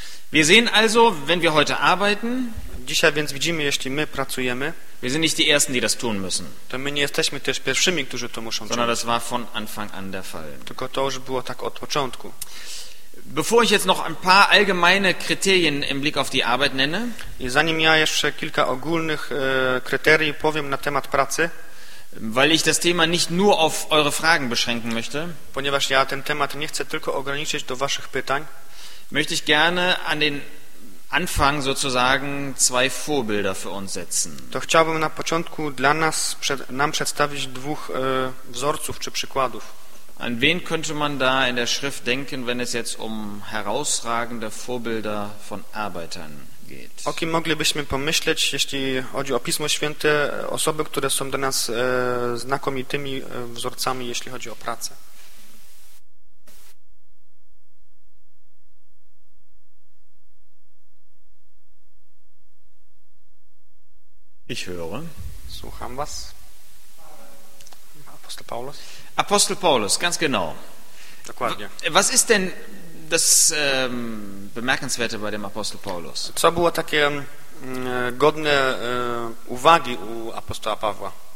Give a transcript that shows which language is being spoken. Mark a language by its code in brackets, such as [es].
[de] Wir sehen also, wenn wir heute arbeiten, [pl] dzisiaj więc widzimy, jeśli my pracujemy, [de] wir sind nicht die Ersten, die das tun müssen. [pl] To my nie jesteśmy też pierwszymi, którzy to muszą czynić. [de] Das war von Anfang an der Fall. [pl] Tylko to już było tak od początku. [de] Bevor ich jetzt noch ein paar allgemeine Kriterien im Blick auf die Arbeit nenne, [pl] i zanim ja jeszcze kilka ogólnych kryterii powiem na temat pracy, [de] weil ich das Thema nicht nur auf eure Fragen beschränken möchte, [pl] ponieważ ja ten temat nie chcę tylko ograniczyć do waszych pytań, [de] möchte ich gerne an den Anfang sozusagen zwei Vorbilder für uns setzen. [pl] To chciałbym na początku dla nas nam przedstawić dwóch wzorców czy przykładów. [de] An wen könnte man da in der Schrift denken, wenn es jetzt um herausragende Vorbilder von Arbeitern geht? [pl] O kim moglibyśmy pomyśleć, jeśli chodzi o Pismo Święte, osoby, które są dla nas znakomitymi wzorcami, jeśli chodzi o pracę? [de] Ich höre. [pl] Słucham was. [de] Apostel Paulus. Apostel Paulus, ganz genau. [pl] Dokładnie. [de] Was ist denn das Bemerkenswerte bei dem Apostel Paulus? [pl] Co było takie godne uwagi u apostoła Pawła?